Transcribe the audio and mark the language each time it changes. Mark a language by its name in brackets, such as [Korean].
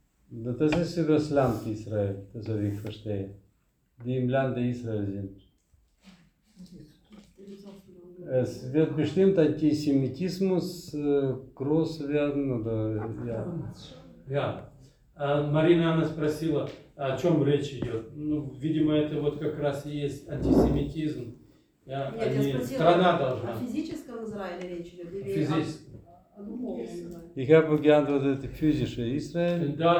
[German] Das ist über das Land Israel, das so wie ich verstehe. Die im Lande Israel sind. Es wird bestimmt Antisemitismus groß werden, oder, ja. [Russian] Ja, Марина, она спросила, о чем речь идет. Ну, видимо, это вот как раз и есть антисемитизм. Нет, они, я спросила, страна должна. О физическом Израиле речь идет? [German] Ich habe geantwortet, physische Israel.